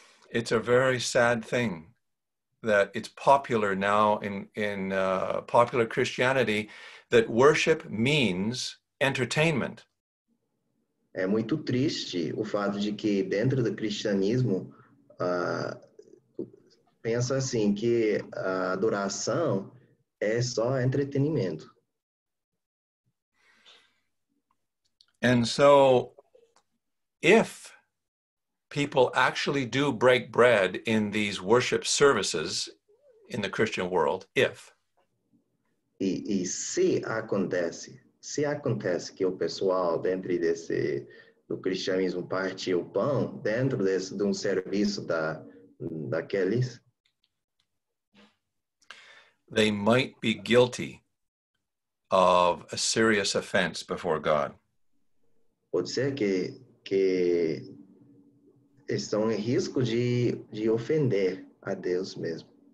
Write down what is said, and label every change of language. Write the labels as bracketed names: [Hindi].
[English] It's a very sad thing that it's popular now in popular Christianity that worship means entertainment. [Portuguese] É muito triste o fato de que dentro do cristianismo pensa assim que a adoração é só entretenimento. [English] And so, if people actually do break bread in these worship services in the Christian world, if. [Portuguese] E se acontece. Se acontece que o pessoal dentro desse do cristianismo parte o pão dentro desse de um serviço daqueles, [English] they might be guilty of a serious offense before God. [Portuguese] Pode ser que estão em risco de ofender a Deus mesmo.